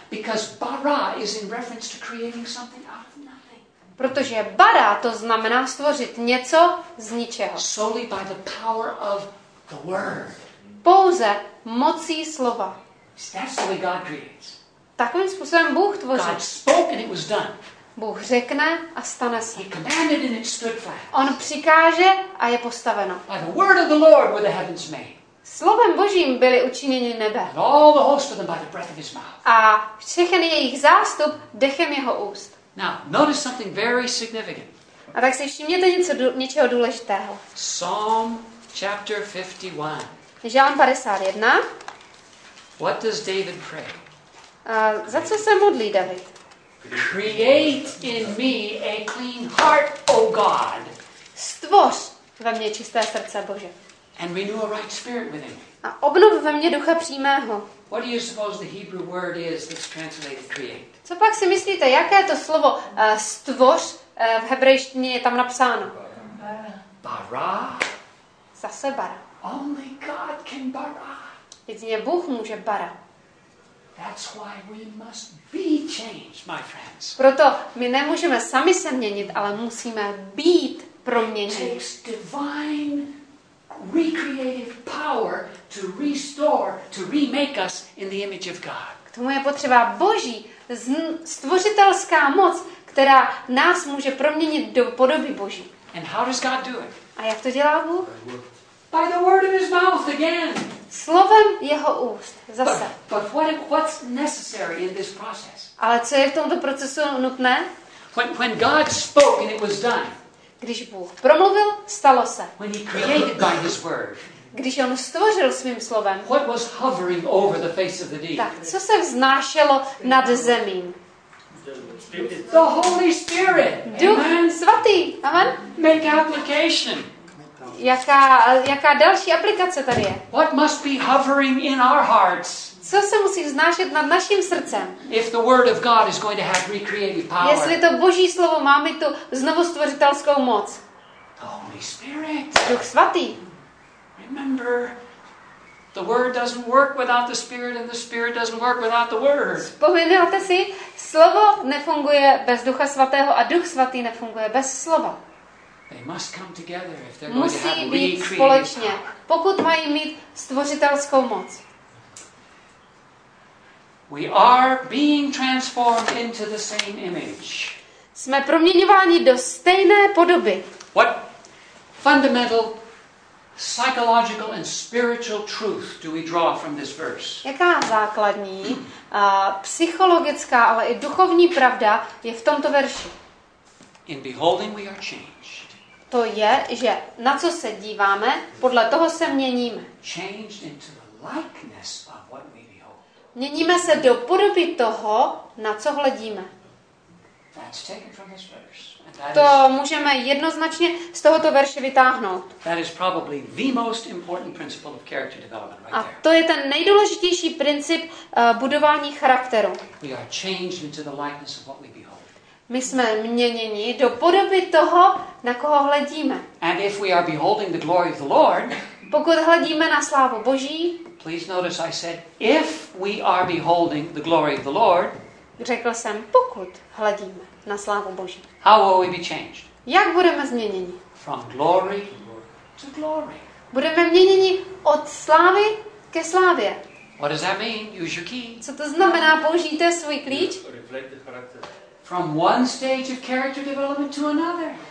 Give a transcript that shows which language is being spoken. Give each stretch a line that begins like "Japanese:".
English: Because bara is in reference to creating something out of nothing.
Czech: Protože bara to znamená stvořit něco z ničeho.
English: Solely by the power of the word.
Czech: Pouze mocí slova.
English: That's the way God creates.
Czech: Takovým způsobem Bůh tvoří.
English: God spoke and it was done.
Czech: Bůh řekne a stane se.
English: He commanded and it stood fast.
Czech: On přikáže a je postaveno.
English: By the word of the Lord were the heavens made.
Czech: Slovem Božím byly učiněni nebe.
English: All the host of them by the breath of his mouth.
Czech: A všechny jejich zástup dechem jeho úst.
English: Now, notice something very significant.
Czech: A tak si všimněte něčeho důležitého.
English: Psalm chapter 51.
Czech: Žalm 51.
English: What does David pray?
Czech: Za co se modlí David?
English: Create in me a clean heart, O God.
Czech: Stvoř ve mně čisté srdce, Bože.
English: And renew a right spirit within me.
Czech: A obnov ve mně ducha přímého.
English: What do you suppose the Hebrew word is that's translated create?
Czech: Co pak si myslíte, jaké to slovo stvoř v hebrejštině je tam napsáno?
English: Bara.
Czech: Zase bara.
English: Only God can bara.
Czech: Jedině Bůh může bara.
English: That's why we must be changed, my friends.
Czech: Proto my nemůžeme sami se měnit, ale musíme být proměněni.
English: It takes divine recreative power to restore, to remake us in the image of God.
Czech: K tomu je potřeba Boží stvořitelská moc, která nás může proměnit do podoby Boží.
English: And how does God do it?
Czech: A jak to dělá Bůh?
English: By the word of his mouth again.
Czech: Slovem jeho úst, zase.
English: But what's necessary in this process?
Czech: Ale co je v tomto procesu nutné?
English: When God spoke and it was done.
Czech: Když Bůh promluvil, stalo se.
English: When he created by his word.
Czech: Když on stvořil svým slovem.
English: What was hovering over the face of the deep?
Czech: Tak, co se vznášelo nad zemím?
English: The Holy Spirit.
Czech: Duch svatý. Amen.
English: Make application.
Czech: Jaká další aplikace tady je?
English: What must be hovering in our hearts?
Czech: Co se musí vznášet nad naším srdcem?
English: If the word of God is going to have recreative power.
Czech: Jestli to Boží slovo má mít tu znovustvořitelskou moc.
English: The Holy Spirit.
Czech: Duch svatý.
English: Remember, the word doesn't work without the Spirit, and the Spirit doesn't work without the word.
Czech: Vzpomínáte si, slovo nefunguje bez Ducha svatého a Duch svatý nefunguje bez slova.
English: They must come together if they're
Czech: musí
English: going to have
Czech: být
English: recreative
Czech: společně,
English: power.
Czech: Pokud mají mít stvořitelskou moc.
English: We are being transformed into the same image.
Czech: Jsme proměňováni do stejné podoby.
English: What fundamental psychological and spiritual truth do we draw from this verse?
Czech: Jaká základní psychologická, ale i duchovní pravda je v tomto verši?
English: In beholding we are changed.
Czech: To je, že na co se díváme, podle toho se měníme.
English: Changed into the likeness of what we behold.
Czech: Měníme se do podoby toho, na co hledíme.
English: That's taken from this verse.
Czech: To můžeme jednoznačně z tohoto verše vytáhnout.
English: That is probably the most important principle of character development right there.
Czech: A to je ten nejdůležitější princip budování charakteru.
English: We are changed into the likeness of what we behold.
Czech: My jsme měněni do podoby toho, na koho hledíme.
English: And if we are beholding the glory of the Lord,
Czech: pokud hledíme na slávu Boží,
English: please notice I said if we are beholding the glory of the Lord,
Czech: řekl jsem pokud hledíme na slávu Boží.
English: How will we be changed?
Czech: Jak budeme změněni?
English: From glory to glory.
Czech: Budeme měněni od slávy ke slávě.
English: What does that mean? Use your key.
Czech: Co to znamená? Použijte svůj klíč.
English: From one stage of character development to another.